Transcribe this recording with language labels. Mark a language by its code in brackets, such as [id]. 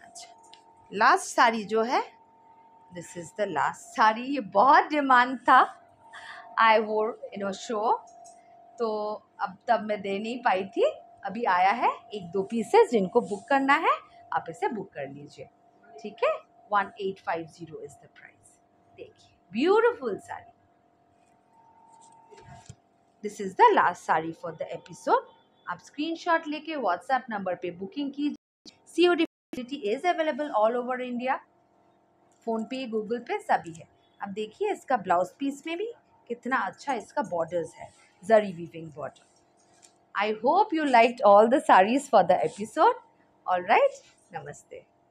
[hi] अच्छा, लास्ट साड़ी जो है, [en] this is the last sari, [hi] ये बहुत डिमांड था, [en] I wore in a show, [hi] तो अब तब मैं दे नहीं पाई थी, अभी आया है 1-2 पीसेस, जिनको बुक करना है आप इसे बुक कर लीजिए, ठीक है। [en] 1850 is the price. देखिए beautiful sari, this is the last sari for the episode. [hi] आप स्क्रीन शॉट लेके व्हाट्सएप नंबर पे बुकिंग कीजिए। [en] COD facility is available all over India, [hi] phone पे गूगल पे सभी है। अब देखिए इसका ब्लाउज पीस में भी कितना अच्छा इसका बॉर्डर्स है, जरी weaving border. [en] I hope you liked all the saris for the episode. Alright, नमस्ते।